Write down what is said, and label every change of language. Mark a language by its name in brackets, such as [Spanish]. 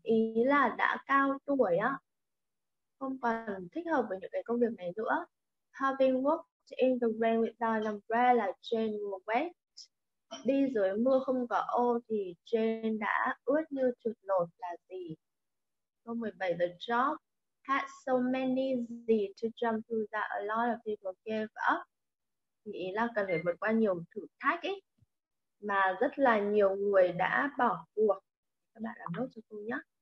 [Vietnamese] Ý là đã cao tuổi á, không còn thích hợp với những cái công việc này nữa. [English] Having worked in the rain without an umbrella, Jane was wet. [Vietnamese] Đi dưới mưa không có ô thì Jane đã ướt như chuột lột là gì? Câu 17, [English] the job had so many gì to jump through that a lot of people gave up. [Vietnamese] Ý là cần phải vượt qua nhiều thử thách ấy mà rất là nhiều người đã bỏ cuộc. Các bạn làm nốt cho cô nhé.